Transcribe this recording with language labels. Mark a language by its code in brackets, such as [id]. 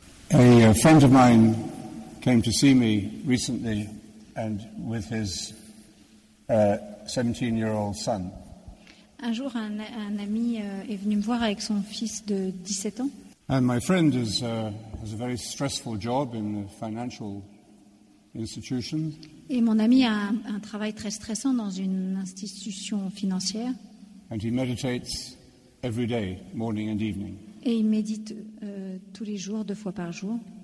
[en] A friend of mine came to see me recently, and with his 17-year-old son. [fr] Un jour, un ami est venu me voir avec son fils de 17 ans. [en] And my friend has a very stressful job in a financial institution. [fr] Et mon ami a un travail très stressant dans une institution financière. [en] And he meditates every day, morning and evening. [fr] Et il médite tous les jours, deux fois par jour.